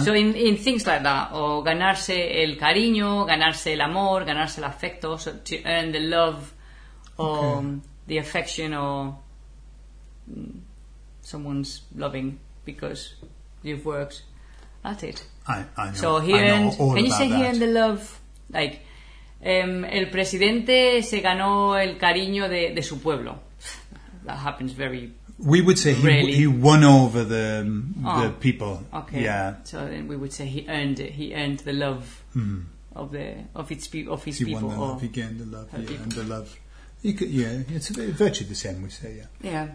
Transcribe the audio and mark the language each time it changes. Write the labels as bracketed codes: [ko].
[en] So in things like that, or [es] ganarse el cariño, ganarse el amor, ganarse el afecto, [en] so to earn the love or the affection or someone's loving because you've worked at it. I know all about that. He earned the love, like. [es] El presidente se ganó el cariño de su pueblo. [en] That happens very rarely. We would say he won over the people. Okay. Yeah. So then we would say he earned it. He earned the love of his people. He won the love. He gained the love. It's virtually the same. We say yeah. Yeah.